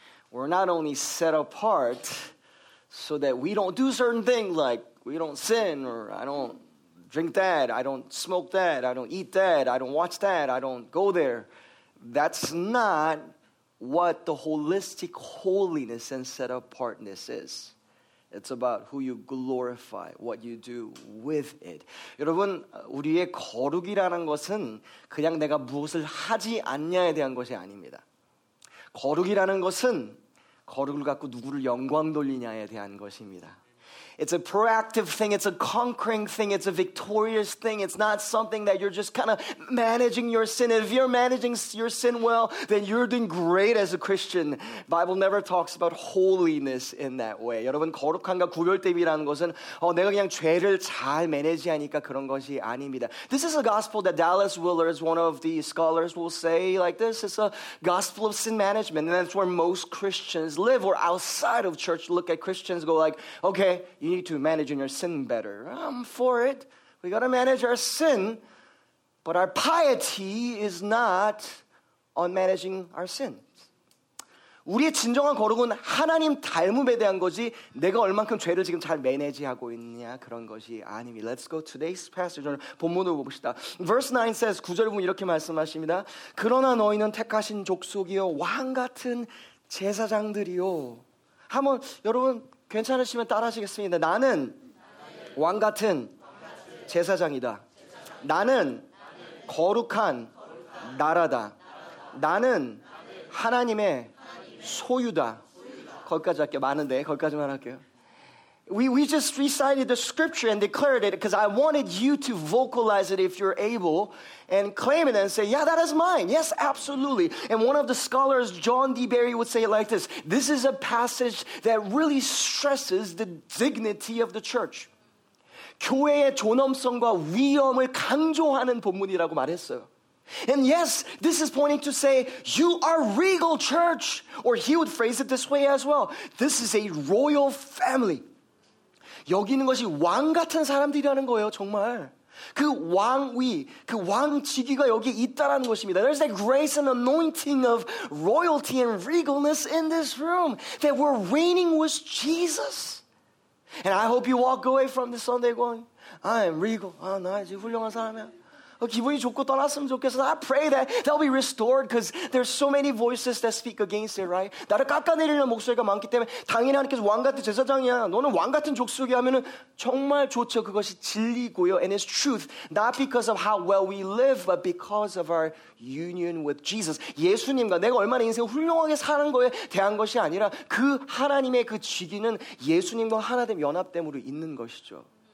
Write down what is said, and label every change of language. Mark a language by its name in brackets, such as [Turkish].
[English] We're not only set apart so that we don't do certain things, like we don't sin, or I don't drink that, I don't smoke that, I don't eat that, I don't watch that, I don't go there. That's not what the holistic holiness and set apartness is. It's about who you glorify, what you do with it. [Korean] 여러분, 우리의 거룩이라는 것은 그냥 내가 무엇을 하지 않냐에 대한 것이 아닙니다. 거룩이라는 것은 거룩을 갖고 누구를 영광 돌리냐에 대한 것입니다. [English] It's a proactive thing, it's a conquering thing, it's a victorious thing. It's not something that you're just kind of managing your sin. If you're managing your sin well, then you're doing great as a Christian. Bible never talks about holiness in that way. [Korean] 여러분, 거룩함과 구별됨이라는 것은 내가 그냥 죄를 잘 매니지하니까 그런 것이 아닙니다. [English] This is a gospel that Dallas Willard, one of the scholars, will say like this. It's a gospel of sin management, and that's where most Christians live, or outside of church look at Christians, go like, okay, you need to manage your sin better. I'm for it. We got to manage our sin. But our piety is not on managing our sins. [Korean] 우리의 진정한 거룩은 하나님 닮음에 대한 거지 내가 얼만큼 죄를 지금 잘 매니지하고 있냐 그런 것이 아닙니다. [English] Let's go today's passage. [Korean] 오늘 본문을 봅시다. [English] Verse 9 says, [Korean] 9절 보면 이렇게 말씀하십니다. 그러나 너희는 택하신 족속이요 왕 같은 제사장들이요. 한번 여러분 괜찮으시면 따라하시겠습니다. 나는 왕 같은 제사장이다. 나는 거룩한 나라다. 나는 하나님의 소유다. 거기까지 할게요. 많은데 거기까지만 할게요. [English] We just recited the scripture and declared it because I wanted you to vocalize it if you're able and claim it and say, yeah, that is mine. Yes, absolutely. And one of the scholars, John D. Berry, would say it like this. This is a passage that really stresses the dignity of the church. [Korean] 교회의 존엄성과 위엄을 강조하는 본문이라고 말했어요. [English] And yes, this is pointing to say, you are regal church. Or he would phrase it this way as well. This is a royal family. [Korean] 여기 있는 것이 왕 같은 사람들이라는 거예요, 정말. 그 왕위, 그 왕직위가 여기 있다라는 것입니다. [English] There's a grace and anointing of royalty and regalness in this room that we're reigning with Jesus. And I hope you walk away from this Sunday going, I am regal. [Korean] 아, 나 이제 훌륭한 사람이야. 기분이 좋고 떠났으면 좋겠어. [English] I pray that they'll be restored because there's so many voices that speak against it, right? [Korean] 나를 깎아내리는 목소리가 많기 때문에 당연히 하나님께서 왕같은 제사장이야. 너는 왕같은 족속이야 하면은 정말 좋죠. 그것이 진리고요. [English] And it's truth. Not because of how well we live, but because of our union with Jesus. [Korean] 예수님과 내가 얼마나 인생을 훌륭하게 사는 거에 대한 것이 아니라 그 하나님의 그 직위는 예수님과 하나됨 연합됨으로 있는 것이죠.